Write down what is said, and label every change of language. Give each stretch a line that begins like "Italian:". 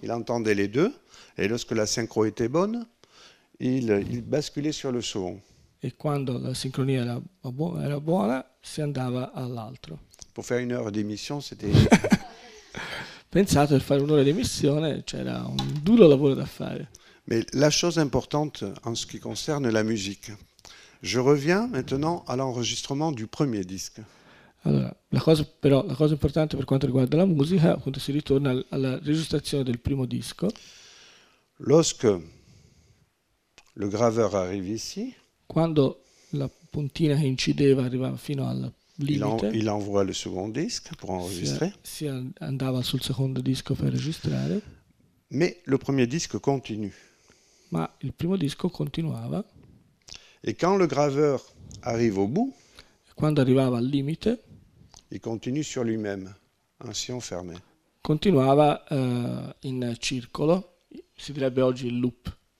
French: Il entendait les deux et lorsque la synchro était bonne, il basculait sur le second.
Italian: E quando la sincronia era buona, si andava all'altro.
French: Pour faire 1 heure d'émission, c'était.
Italian: Pensate, per fare un'ora di missione c'era un duro lavoro da fare.
French: Mais la chose importante en ce qui concerne la musique, je reviens maintenant à l'enregistrement du premier disque.
Italian: Allora, la cosa importante per quanto riguarda la musica, appunto, si ritorna alla registrazione del primo disco.
French: Lorsque le graveur arrive ici,
Italian: Quando la puntina che incideva arrivava fino al limite,
French: il envoie le second disque pour enregistrer.
Italian: si andava sul secondo disco per registrare,
French: Mais le premier disque continue.
Italian: ma il primo disco continuava.
French: Et quand le graveur arrive au bout,
Italian: Quando arrivava al limite,
French: il continue sur lui-même, un sillon fermé.
Italian: continuava in circolo, si direbbe oggi il loop.